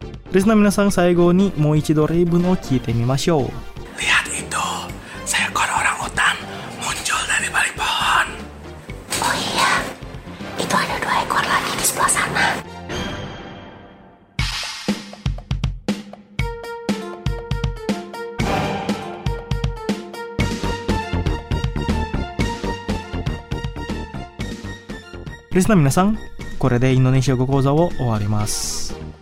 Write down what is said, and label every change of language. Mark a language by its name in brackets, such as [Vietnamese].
[Japanese] Rizna minasang, 最後にもう一度例文を聞いてみましょう。 [Indonesian] Lihat itu, seekor orang utan muncul dari balik pohon. Oh iya, itu ada dua ekor lagi di sebelah sana. [Japanese] Rizna minasang, これでインドネシア語講座を終わります。